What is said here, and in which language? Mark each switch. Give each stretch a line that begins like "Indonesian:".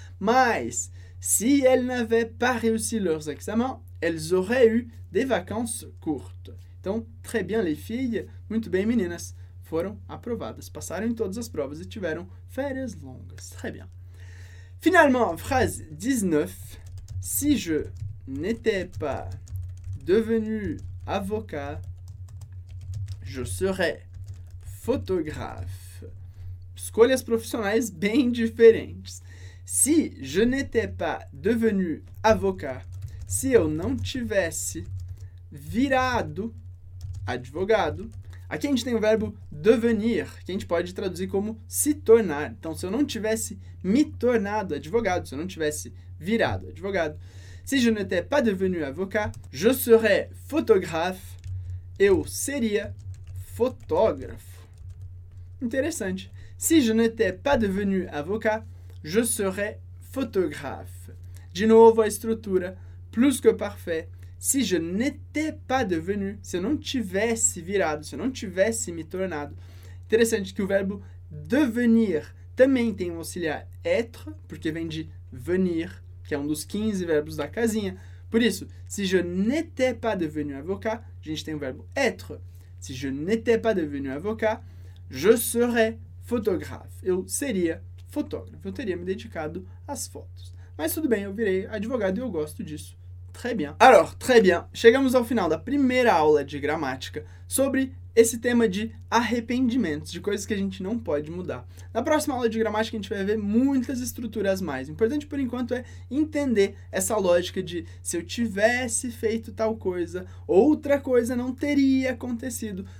French: Mas, si elles n'avaient pas réussi leurs examens, elles auraient eu des vacances courtes.
Portuguese: Então,
French: très bien les filles,
Portuguese: muito bem meninas, foram aprovadas, passaram em todas as provas e tiveram férias longas.
French: Très bien. Finalement, phrase 19, si je n'étais pas devenu avocat, je serais photographe.
Portuguese: Escolhas profissionais bem diferentes.
French: Si je n'étais pas devenu avocat,
Portuguese: se eu não tivesse virado advogado, aqui a gente tem o verbo devenir, que a gente pode traduzir como se tornar. Então, se eu não tivesse me tornado advogado, se eu não tivesse virado advogado,
French: si je n'étais pas devenu avocat, je serais photographe,
Portuguese: eu seria photographe. Interessante.
French: Si je n'étais pas devenu avocat, je serais photographe.
Portuguese: De novo a estrutura, plus que parfait.
French: Si je n'étais pas devenu,
Portuguese: se eu não tivesse virado, se eu não tivesse me tornado. Interessante que o verbo devenir também tem um auxiliar être, porque vem de venir, que é um dos 15 verbos da casinha. Por isso,
French: si je n'étais pas devenu avocat,
Portuguese: a gente tem o verbo être.
French: Si je n'étais pas devenu avocat, je serais photographe.
Portuguese: Eu seria fotógrafo, eu teria me dedicado às fotos. Mas tudo bem, eu virei advogado e eu gosto disso.
French: Très bien. Alors, très bien.
Portuguese: Chegamos ao final da primeira aula de gramática sobre esse tema de arrependimentos, de coisas que a gente não pode mudar. Na próxima aula de gramática, a gente vai ver muitas estruturas mais. O importante, por enquanto, é entender essa lógica de se eu tivesse feito tal coisa, outra coisa não teria acontecido.